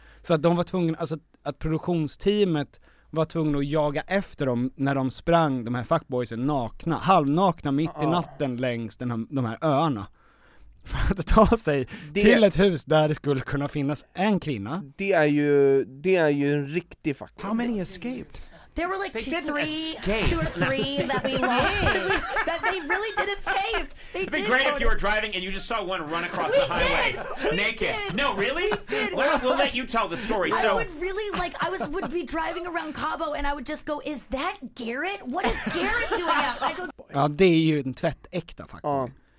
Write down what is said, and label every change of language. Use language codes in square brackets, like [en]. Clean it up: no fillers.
[sv] Så att de var tvungna, alltså att produktionsteamet var tvungna att jaga efter dem när de sprang, de här fuckboysen, nakna, halvnakna mitt i natten längs de här öarna. för att ta sig det, till ett hus där det skulle kunna finnas en kvinna. Det är ju en riktig faktor. [en] How many escaped? There were like two or three that we lost. That they really did escape. They It'd be great if you were driving and you just saw one run across the highway. Naked. No, really? We'll let you tell the story. I would really like, I would be driving around Cabo and I would just go, is that Garrett? What is Garrett doing out? [sv] Ja, det är ju en tvättäkta faktor.